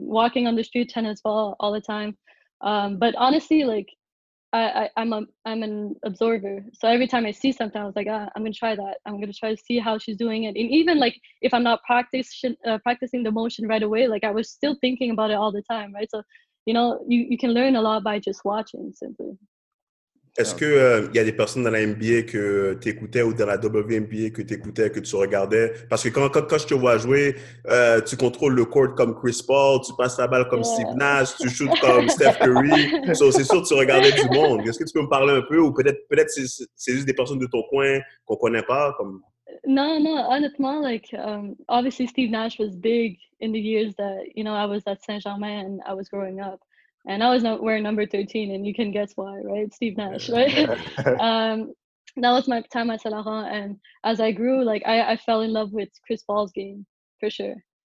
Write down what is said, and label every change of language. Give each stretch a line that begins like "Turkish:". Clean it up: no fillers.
English: Walking on the street, tennis ball all the time. But honestly, like, I'm an observer. So every time I see something, I was like, I'm going to try that. I'm going to try to see how she's doing it. And even like, if I'm not practicing the motion right away, like I was still thinking about it all the time. Right. So, you know, you can learn a lot by just watching simply.
French: Est-ce que y a des personnes dans la NBA que tu écoutais ou dans la WNBA que tu écoutais, que tu regardais? Parce que quand je te vois jouer, tu contrôles le court comme Chris Paul, tu passes la balle comme Steve Nash, tu shoots comme Steph Curry. So, c'est sûr que tu regardais du monde. Est-ce que tu peux me parler un peu? Ou peut-être c'est juste des personnes de ton coin qu'on connaît pas? Comme... Non, honnêtement,
English: like, obviously Steve Nash was big in the years that, you know, I was at Saint-Germain and I was growing up. And I was wearing number 13, and you can guess why, right? Steve Nash, right? That was my time at Saint-Laurent. And as I grew, like, I fell in love with Chris Paul's game, for sure.